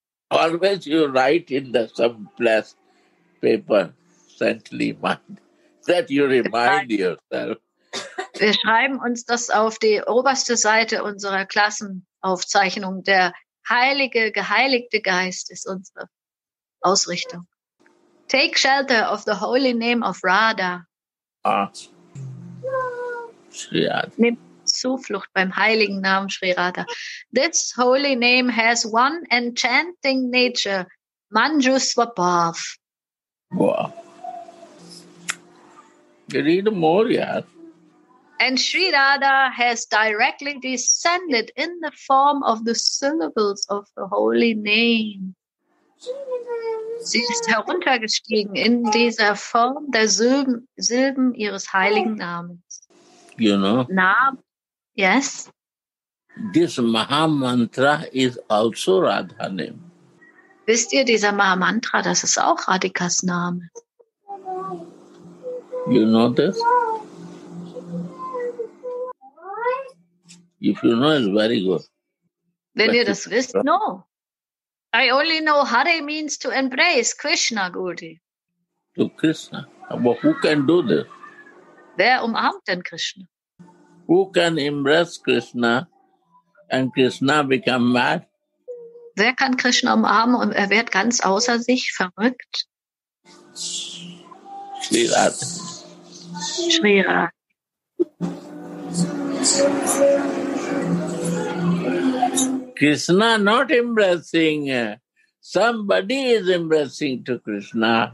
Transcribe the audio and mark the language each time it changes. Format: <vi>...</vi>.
<en>Always you write in the someplace paper, saintly mind, that you remind yourself.</en> <de>Wir schreiben uns das auf die oberste Seite unserer Klassenaufzeichnung. Der heilige, geheiligte Geist ist unsere Ausrichtung.</de> <en>Take shelter of the holy name of Radha.</en> <de>Nimm Zuflucht beim heiligen Namen Sri Radha.</de> <en>This holy name has one enchanting nature, Manjuswabhav. Wow. You need more, yeah. And Sri Radha has directly descended in the form of the syllables of the holy name.</en> <de>Sie ist heruntergestiegen in dieser Form der Silben ihres heiligen Namens.</de> <en>You know? Yes? This Mahamantra is also Radha name.</en> <de>Wisst ihr, dieser Mahamantra, das ist auch Radhikas Name.</de> <en>You know this? If you know, it's very good.</en> <de>Wenn ihr das wisst, no.</de> <en>I only know Hare means to embrace Krishna, Gurudev. To Krishna. But who can do this?</en> <de>Wer umarmt denn Krishna?</de> <en>Who can embrace Krishna and Krishna become mad?</en> <de>Wer kann Krishna umarmen und er wird ganz außer sich verrückt?</de> <en>Shri Radha. Shri Radha. Krishna not embracing. Somebody is embracing to Krishna.</en>